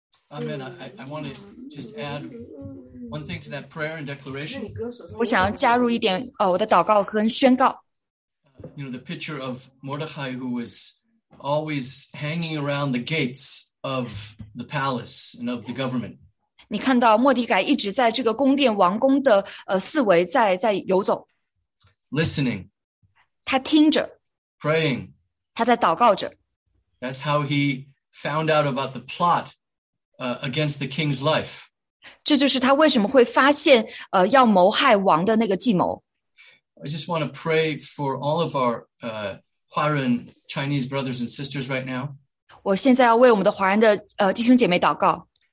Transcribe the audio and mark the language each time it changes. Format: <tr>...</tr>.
<en>Amen. I want to just add one thing to that prayer and declaration.</en> <zh>我想要加入一点哦，我的祷告跟宣告。</zh> <en>You know the picture of Mordechai who was always hanging around the gates of the palace and of the government.</en> <zh>你看到莫迪改一直在这个宫殿王宫的四围在游走。</zh> <en>Listening.</en> <zh>他听着。</zh> <en>Praying，</en> <zh>他在祷告着。</zh> <en>That's how he found out about the plot against the king's life。</en> <zh>这就是他为什么会发现要谋害王的那个计谋。</zh> <en>I just want to pray for all of our 华人 Chinese brothers and sisters right now。</en> <zh>我现在要为我们的华人的弟兄姐妹祷告。</zh>